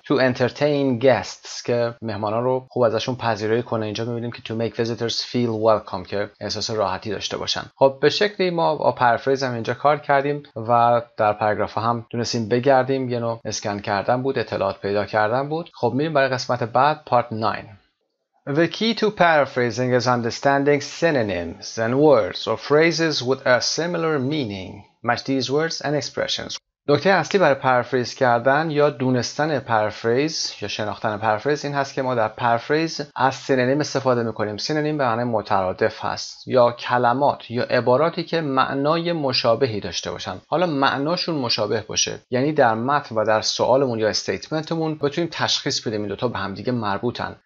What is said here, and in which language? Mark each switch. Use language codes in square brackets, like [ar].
[fa] تو انترتین گستس که مهمانان رو خوب ازشون پذیرایی کنه، اینجا میبینیم که تو میک ویزیتورز فیل ولکام که احساس راحتی داشته باشن. خب به شکلی ما با پرافریز هم اینجا کار کردیم و در پاراگراف هم دونستیم بگردیم، یه نوع اسکن کردن بود، اطلاعات پیدا کردن بود. خب میریم برای قسمت بعد، پارت 9. [en] The key to paraphrasing is understanding synonyms and words or phrases with a similar meaning. Match these words and expressions. [fa] نکته اصلی برای پرافریز کردن یا دونستن پرافریز یا شناختن پرافریز این هست که ما در پرافریز از سینونیم استفاده میکنیم. سینونیم به معنی مترادف هست، یا کلمات یا عباراتی که معنای مشابهی داشته باشن. حالا معناشون مشابه باشه، یعنی در متن و در سوالمون یا استیتمنتمون بتونیم تشخیص بدیم این دوتا به همدیگه مربوطن.